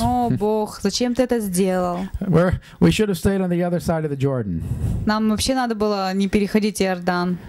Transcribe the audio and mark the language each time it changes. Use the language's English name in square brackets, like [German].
[Russian] О, Бог, зачем ты это сделал? [English] We should have stayed on the other side of the Jordan. [Russian] Нам вообще надо было не переходить Иордан.